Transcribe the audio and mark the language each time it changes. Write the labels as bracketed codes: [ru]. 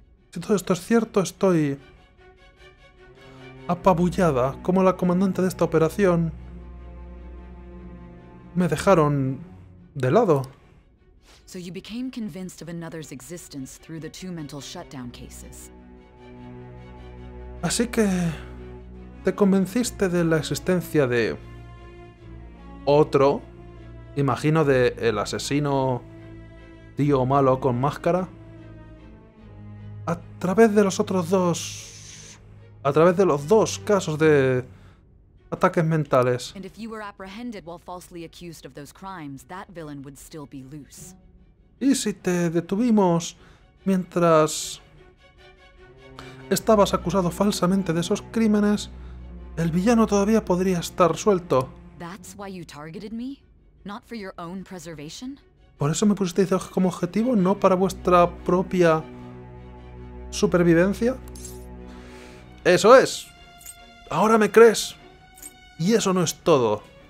[es] Si todo esto es cierto, estoy apabullada. Como la comandante de esta operación, me dejaron de lado. [en] So you became convinced of another's existence through the two mental shutdown cases. [es] Así que te convenciste de la existencia de otro, imagino, de el asesino tío malo con máscara. A través de los otros dos. A través de los dos casos de ataques mentales. [en] And if you were apprehended while falsely accused of those crimes, that villain would still be loose. [es] ¿Y si te detuvimos mientras estabas acusado falsamente de esos crímenes? El villano todavía podría estar suelto. [en] That's why you targeted me? Not for your own preservation? [es] ¿Por eso me pusisteis como objetivo, no para vuestra propia supervivencia? ¡Eso es! ¡Ahora me crees! Y eso no es todo.